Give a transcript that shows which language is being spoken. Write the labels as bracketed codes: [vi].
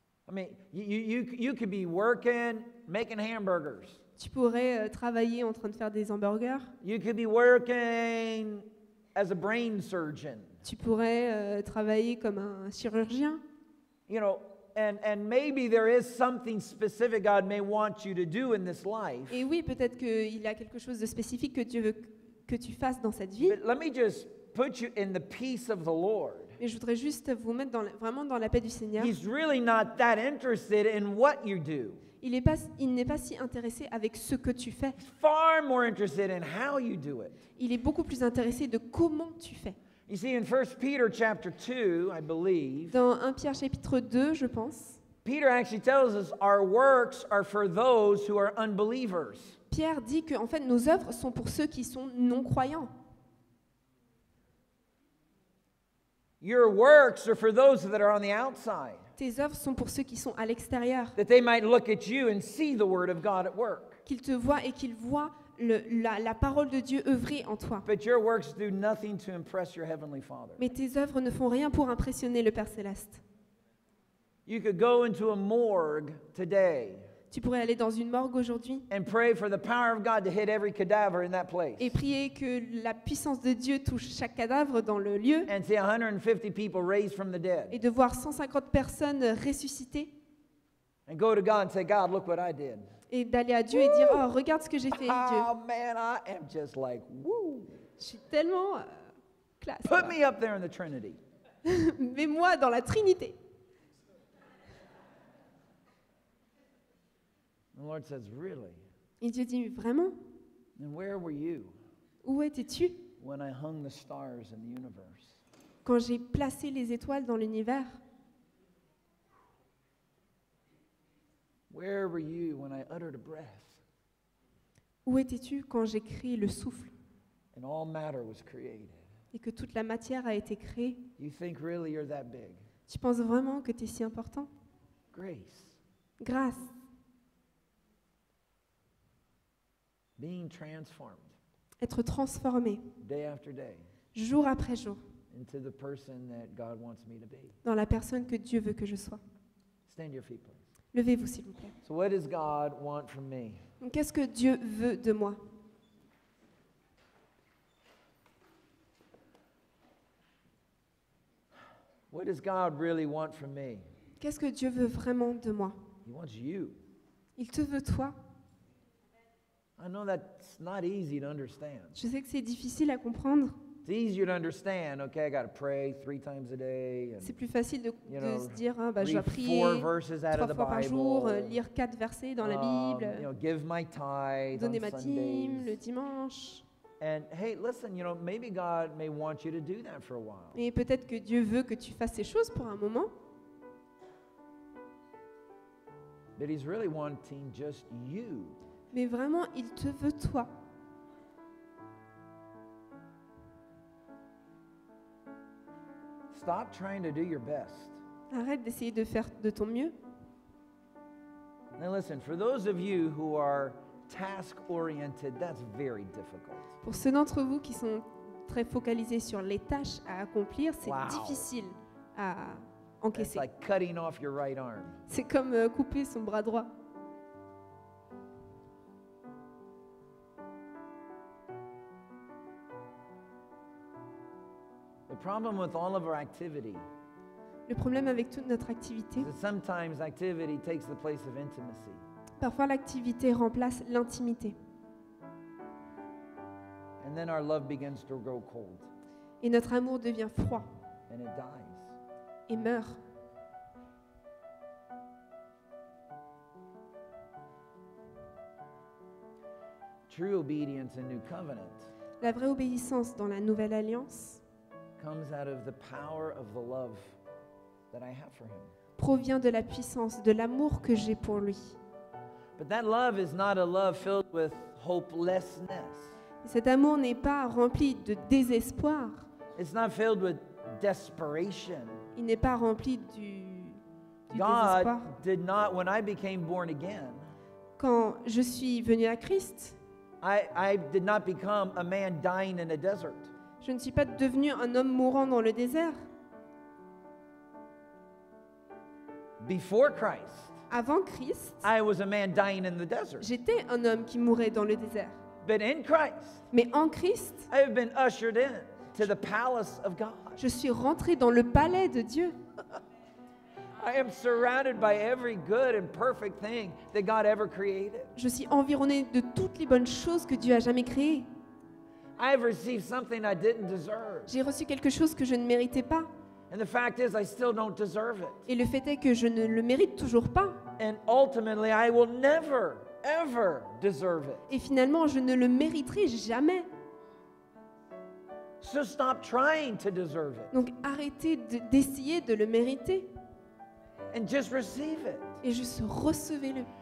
[en] I mean, you could be working, making hamburgers. [fr] Tu pourrais travailler en train de faire des hamburgers. [en] You could be working as a brain surgeon. [fr] Tu pourrais travailler comme un chirurgien. [en] You know, and maybe there is something specific God may want you to do in this life. [fr] Et oui, peut-être qu'il y a quelque chose de spécifique que Dieu veut que tu fasses dans cette vie. [en] But let me just put you in the peace of the Lord. [fr] Et je voudrais juste vous mettre vraiment dans la paix du Seigneur. [en] He's really not that interested in what you do. [fr] Il n'est pas si intéressé avec ce que tu fais. [en] He's far more interested in how you do it. [fr] Il est beaucoup plus intéressé de comment tu fais. [en] You see, in 1 Peter chapter 2, I believe, [fr] dans 1 Pierre chapitre 2, je pense, [en] Peter actually tells us our works are for those who are unbelievers. [fr] Pierre dit que, en fait, nos œuvres sont pour ceux qui sont non-croyants. [en] Your works are for those that are on the outside. [fr] Tes œuvres sont pour ceux qui sont à l'extérieur. [en] That they might look at you and see the word of God at work. [fr] Qu'ils te voient et qu'ils voient la parole de Dieu œuvrer en toi. [en] But your works do nothing to impress your heavenly Father. [fr] Mais tes œuvres ne font rien pour impressionner le Père céleste. [en] You could go into a morgue today. [fr] Tu pourrais aller dans une morgue aujourd'hui. [en] And pray for the power of God to hit every cadaver in that place. [fr] Et prier que la puissance de Dieu touche chaque cadavre dans le lieu. [en] And see 150 people raised from the dead. [fr] Et de voir 150 personnes ressuscitées. [en] And go to God and say, God, look what I did. [fr] Et d'aller à Dieu et dire, oh, regarde ce que j'ai fait, Dieu. [en] Oh man, I am just like, woo. [fr] Je suis tellement classe. [en] Put me up there in the Trinity. [fr] Mets-moi dans la Trinité. [en] The Lord says, really? [fr] Et Dieu dit, vraiment? [en] And where were you? [fr] Où étais-tu? [en] When I hung the stars in the universe. [fr] Quand j'ai placé les étoiles dans l'univers. [en] Where were you when I uttered a breath? [fr] Où étais-tu quand j'ai créé le souffle? [en] And all matter was created. [fr] Et que toute la matière a été créée. [en] You think really you're that big? [fr] Tu penses vraiment que tu es si important? [en] Grace. [fr] Grâce. [en] Being transformed. [fr] Être transformé. [en] Day after day. [fr] Jour après jour. [en] Into the person that God wants me to be. [fr] Dans la personne que Dieu veut que je sois. [en] Stand your feet, please. [fr] Levez-vous, s'il vous plaît. [en] So what does God want from me? [fr] Qu'est-ce que Dieu veut de moi? [en] What does God really want from me? [fr] Qu'est-ce que Dieu veut vraiment de moi? [en] He wants you. [fr] Il te veut toi. [en] I know that's not easy to understand. [fr] Je sais que c'est difficile à comprendre. [en] It's easier to understand. Okay, I got to pray three times a day. And, [fr] c'est plus facile de know, se dire, hein, bah, je dois prier [en] four verses out [fr] trois [en] of [fr] fois [en] the Bible, [fr] par jour, lire quatre versets dans la Bible. [en] You know, give my tithe. [fr] Donner [en] on [fr] ma dîme le dimanche. [en] And hey, listen, you know, maybe God may want you to do that for a while. [fr] Et peut-être que Dieu veut que tu fasses ces choses pour un moment. [en] But He's really wanting just you. [fr] Mais vraiment, il te veut toi. [en] Stop trying to do your best. [fr] Arrête d'essayer de faire de ton mieux. [en] Now listen, for those of you who are task oriented, that's very difficult. [fr] Pour ceux d'entre vous qui sont très focalisés sur les tâches à accomplir, c'est difficile à encaisser. [en] It's like cutting off your right arm. [fr] C'est comme couper son bras droit. [en] Problem with all of our activity. [fr] Le problème avec toute notre activité. [en] Is that sometimes activity takes the place of intimacy. [fr] Parfois l'activité remplace l'intimité. [en] And then our love begins to grow cold. [fr] Et notre amour devient froid. [en] And it dies. [fr] Et meurt. [en] True obedience in new covenant. [fr] La vraie obéissance dans la nouvelle alliance. [en] Comes out of the power of the love that I have for him. [fr] Provient de la puissance de l'amour que j'ai pour lui. [en] But that love is not a love filled with hopelessness. [fr] Cet amour n'est pas rempli de désespoir. [en] It's not filled with desperation. [fr] Il n'est pas rempli du [en] God [fr] désespoir. [en] God did not when I became born again. [fr] Quand je suis venu à Christ, [en] I did not become a man dying in a desert. [fr] Je ne suis pas devenu un homme mourant dans le désert. [en] Before Christ, [fr] avant Christ, [en] I was a man dying in the desert. [fr] J'étais un homme qui mourait dans le désert. [en] But in Christ, [fr] mais en Christ, [en] I have been ushered in to the palace of God. [fr] Je suis rentré dans le palais de Dieu. [en] I am surrounded by every good and perfect thing that God ever created. [fr] Je suis environné de toutes les bonnes choses que Dieu a jamais créées. [en] I've received something I didn't deserve. [fr] J'ai reçu quelque chose que je ne méritais pas. [en] And the fact is, I still don't deserve it. [fr] Et le fait est que je ne le mérite toujours pas. [en] And ultimately, I will never, ever deserve it. [fr] Et finalement, je ne le mériterai jamais. [en] So stop trying to deserve it. [fr] Donc arrêtez d'essayer de le mériter. [en] And just receive it. [fr] Et juste recevez-le.